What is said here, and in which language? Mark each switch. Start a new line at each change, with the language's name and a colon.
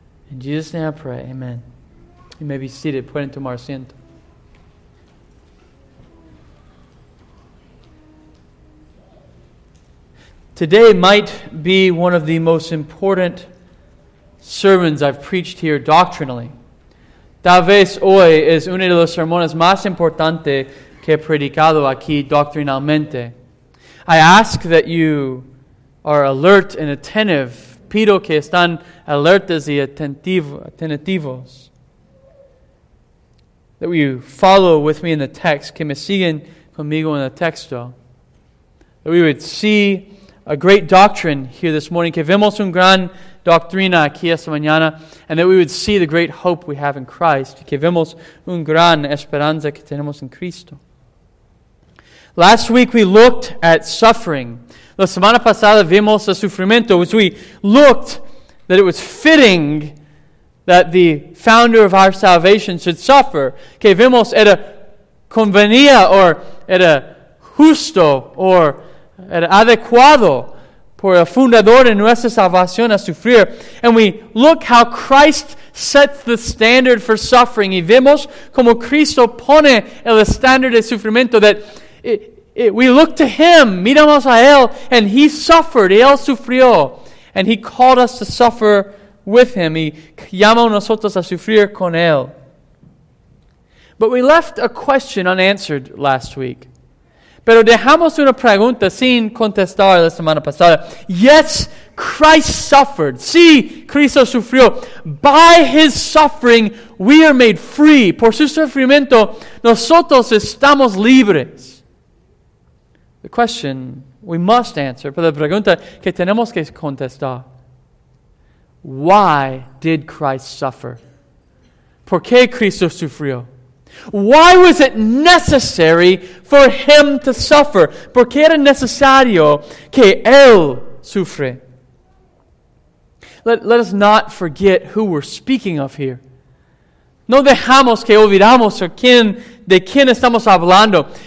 English: In Jesus' name I pray, amen. You may be seated.
Spanish: Pueden tomar asiento.
English: Today might be one of the most important sermons I've preached here doctrinally.
Spanish: Tal vez hoy es uno de los sermones más importantes que he predicado aquí doctrinalmente.
English: I ask that you are alert and attentive.
Spanish: Pido que están alertas y atentivos.
English: That you follow with me in the text.
Spanish: Que me sigan conmigo en el texto.
English: That we would see a great doctrine here this morning,
Spanish: que vemos un gran doctrina aquí esta mañana,
English: and that we would see the great hope we have in Christ,
Spanish: que vemos un gran esperanza que tenemos en Cristo.
English: Last week we looked at suffering.
Spanish: La semana pasada vimos el sufrimiento,
English: which we looked that it was fitting that the founder of our salvation should suffer.
Spanish: Que vemos era convenía, or era justo, or era adecuado por el fundador de nuestra salvación a sufrir.
English: And we look how Christ sets the standard for suffering.
Spanish: Y vemos como Cristo pone el estándar de sufrimiento.
English: That we look to Him,
Spanish: miramos a Él,
English: and He suffered,
Spanish: y Él sufrió.
English: And He called us to suffer with Him.
Spanish: Y llamó nosotros a sufrir con Él.
English: But we left a question unanswered last week.
Spanish: Pero dejamos una pregunta sin contestar la semana pasada.
English: Yes, Christ suffered.
Spanish: Sí, Cristo sufrió.
English: By His suffering, we are made free.
Spanish: Por su sufrimiento, nosotros estamos libres.
English: The question we must answer,
Spanish: pero la pregunta que tenemos que contestar.
English: Why did Christ suffer?
Spanish: ¿Por qué Cristo sufrió?
English: Why was it necessary for Him to suffer?
Spanish: ¿Por qué era necesario que Él sufre?
English: Let us not forget who we're speaking of here.
Spanish: No dejamos que olvidamos de quién estamos hablando.